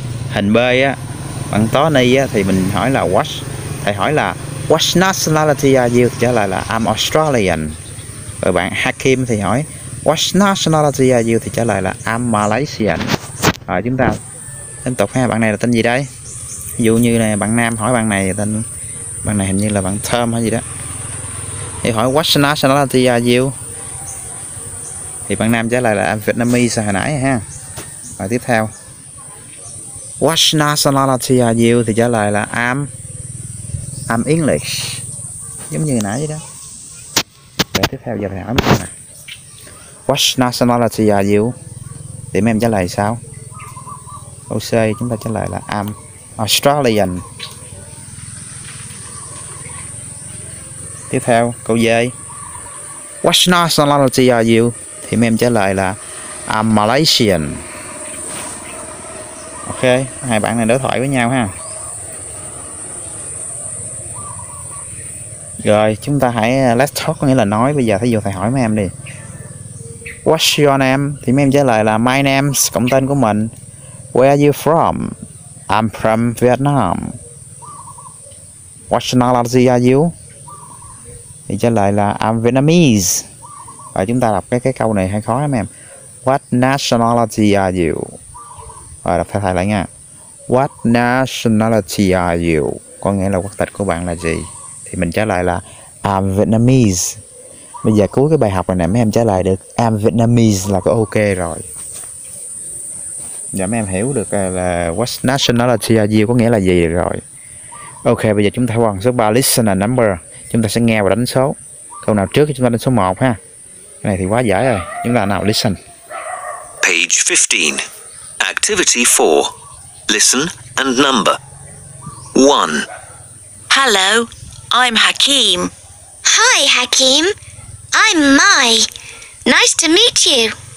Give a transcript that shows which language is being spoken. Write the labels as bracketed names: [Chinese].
[Vietnamese] Hình B á, bạn Tony á, thì mình hỏi là what, thầy hỏi là [English] what nationality are you [Vietnamese] thì trả lời là [English] I'm Australian. [Vietnamese] Rồi bạn Hakim thì hỏi [English] what nationality are you [Vietnamese] thì trả lời là [English] I'm Malaysian. [Vietnamese] Rồi chúng ta tiếp tục ha, bạn này là tên gì đây? Ví dụ như này, bạn nam hỏi bạn này tên, bạn này hình như là bạn Tom hay gì đó. Thì hỏi [English] what nationality are you? [Vietnamese] Thì bạn nam trả lời là Vietnamese hồi nãy ha. Và tiếp theo, [English] what nationality are you? [Vietnamese] Thì trả lời là [English] I'm English. [Vietnamese] Giống như hồi nãy vậy đó. Và tiếp theo giờ thầy hỏi mình nè, [English] what nationality are you? [Vietnamese] Thì mấy em trả lời sao? OC chúng ta trả lời là [English] I'm Australian. [Vietnamese] Tiếp theo câu D, [English] what nationality are you? [Vietnamese] Thì mấy em trả lời là [English] I'm Malaysian. [Vietnamese] OK, hai bạn này đối thoại với nhau ha. Rồi chúng ta hãy [English] let's talk, [Vietnamese] có nghĩa là nói. Bây giờ thí dụ thầy hỏi mấy em đi, [English] what's your name? [Vietnamese] Thì mấy em trả lời là [English] my name's, [Vietnamese] cộng tên của mình. [English] Where are you from? I'm from Vietnam. What nationality are you? [Vietnamese] Thì trả lời là [English] I'm Vietnamese. [Vietnamese] Và chúng ta đọc cái câu này hay khó lắm em. [English] What nationality are you? [Vietnamese] Rồi đọc thay lại nha. [English] What nationality are you? [Vietnamese] Có nghĩa là quốc tịch của bạn là gì? Thì mình trả lời là [English] I'm Vietnamese. [Vietnamese] Bây giờ cuối cái bài học này nè, mấy em trả lời được [English] I'm Vietnamese [Vietnamese] là có ok rồi. Dạ, mấy em hiểu được là [English] what nationality are you [Vietnamese] có nghĩa là gì rồi. Ok, bây giờ chúng ta qua số 3, [English] listen and number. [Vietnamese] Chúng ta sẽ nghe và đánh số. Câu nào trước thì chúng ta đánh số 1 ha. Cái này thì quá dễ rồi. Chúng ta nào, listen. [English] Page 15, activity 4, listen and number. 1. Hello, I'm Hakim. Hi Hakim, I'm Mai. Nice to meet you.